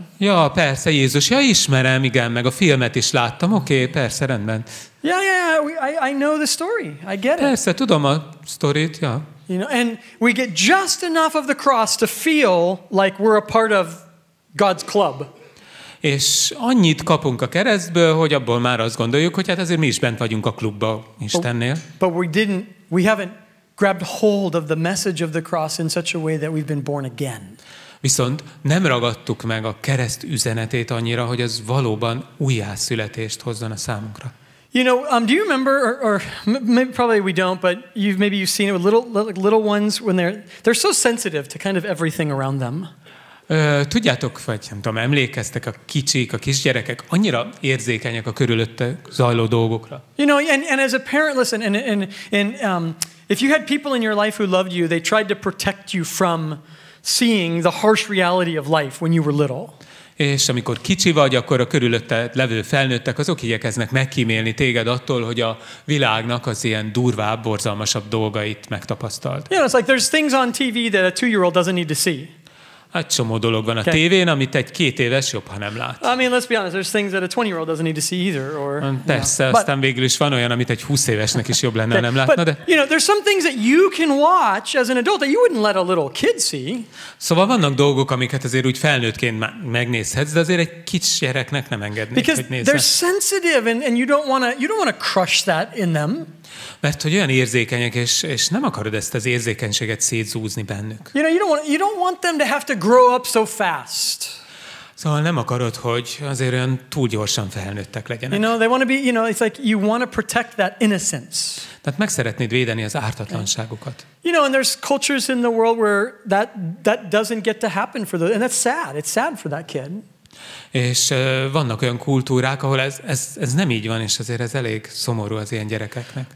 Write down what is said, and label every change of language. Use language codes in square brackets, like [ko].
[hu] Ja, persze, Jézus, ja, ismerem, igen, meg a filmet is láttam, oké, okay, persze, rendben. [en] Yeah, I know the story, I get it. [hu] Persze, tudom a sztorit, ja. [en] You know, and we get just enough of the cross to feel like we're a part of God's club. [hu] És annyit kapunk a keresztből, hogy abból már azt gondoljuk, hogy hát azért mi is bent vagyunk a klubba Istennél. [en] But we haven't grabbed hold of the message of the cross in such a way that we've been born again. [hu] Viszont nem ragadtuk meg a kereszt üzenetét annyira, hogy az valóban újjászületést hozzon a számunkra. [en] You know, do you remember, or maybe probably we don't, but you've seen it with little ones when they're so sensitive to kind of everything around them. [hu] Tudjátok, vagy nem tudom, emlékeztek a kicsik, a kisgyerekek, annyira érzékenyek a körülötte zajló dolgokra. [en] You know, and as a parent, listen, and if you had people in your life who loved you, they tried to protect you from seeing the harsh reality of life when you were little. [hu] És amikor kicsi vagy, akkor a körülötted levő felnőttek, azok igyekeznek megkímélni téged attól, hogy a világnak az ilyen durvább, borzalmasabb dolgait megtapasztalt. [en] You know, it's like there's things on TV that a two-year-old doesn't need to see. [hu] Egy csomó dolog van a tévén, amit egy két éves jobb, ha nem lát. [en] I mean, let's be honest, there's things that a 20-year-old doesn't need to see either. Or, [hu] persze, [en] you know. [hu] Aztán végül is van olyan, amit egy 20 évesnek is jobb lenne, nem látna, de... [en] You know, there's some things that you can watch as an adult that you wouldn't let a little kid see. [hu] Szóval vannak dolgok, amiket azért úgy felnőttként megnézhetsz, de azért egy kicsi gyereknek nem engednék, [en] because [hu] hogy nézze. [en] They're sensitive and you don't want to crush that in them. [hu] Mert hogy olyan érzékenyek, és nem akarod ezt az érzékenységet szétzúzni bennük. [en] You know, you don't want them to have to grow up so fast. [hu] Szóval nem akarod, hogy azért olyan túl gyorsan felnőttek legyenek. [en] You know, they want to be, you know, it's like you want to protect that innocence. [hu] Tehát meg szeretnéd védeni az ártatlanságukat. [en] You know, and there's cultures in the world where that doesn't get to happen for those, and that's sad. It's sad for that kid. [hu] És vannak olyan kultúrák, ahol ez nem így van, és azért ez elég szomorú az ilyen gyerekeknek.